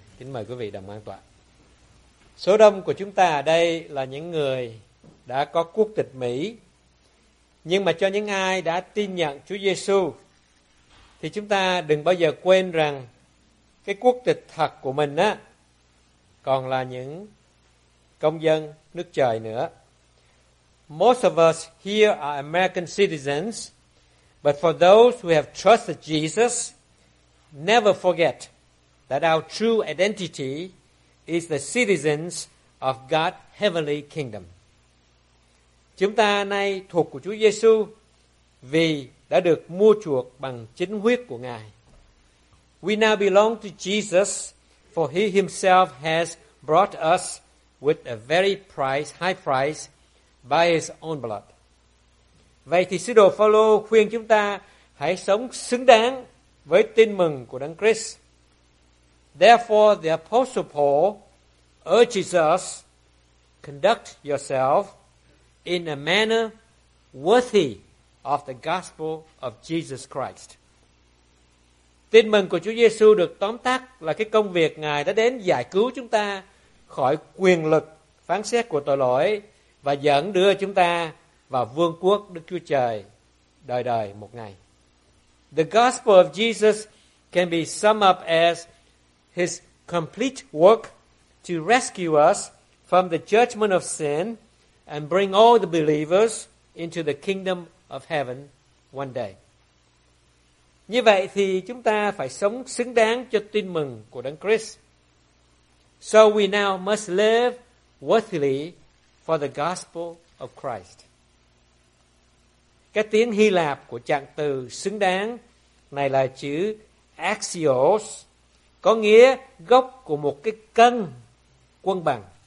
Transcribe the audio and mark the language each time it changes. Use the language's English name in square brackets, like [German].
[Vietnamese] Kính mời quý vị đồng an tọa. Số đông của chúng ta ở đây là những người đã có quốc tịch Mỹ. Nhưng mà cho những ai đã tin nhận Chúa Giêsu, thì chúng ta đừng bao giờ quên rằng cái quốc tịch thật của mình á còn là những công dân nước trời nữa. [English] Most of us here are American citizens, but for those who have trusted Jesus, never forget that our true identity is the citizens of God's heavenly kingdom. [Vietnamese] Chúng ta nay thuộc của Chúa Giêsu vì đã được mua chuộc bằng chính huyết của Ngài. [English] We now belong to Jesus, for he himself has brought us with a very price, high price, by his own blood. [Vietnamese] Vậy thì sứ đồ Phao-lô khuyên chúng ta hãy sống xứng đáng với tin mừng của Đấng Christ. [English] Therefore, the Apostle Paul urges us, conduct yourself in a manner worthy of the gospel of Jesus Christ. [Vietnamese] Tin mừng của Chúa Giêsu được tóm tắt là cái công việc Ngài đã đến giải cứu chúng ta khỏi quyền lực phán xét của tội lỗi và dẫn đưa chúng ta vào vương quốc Đức Chúa Trời đời đời một ngày. [English] The gospel of Jesus can be summed up as his complete work to rescue us from the judgment of sin and bring all the believers into the kingdom of heaven one day. [Vietnamese] Như vậy thì chúng ta phải sống xứng đáng cho tin mừng của Đấng Christ. [English] So we now must live worthily for the gospel of Christ. [Vietnamese] Cái tiếng Hy Lạp của trạng từ xứng đáng này là chữ axios, có nghĩa gốc của một cái cân quân bằng.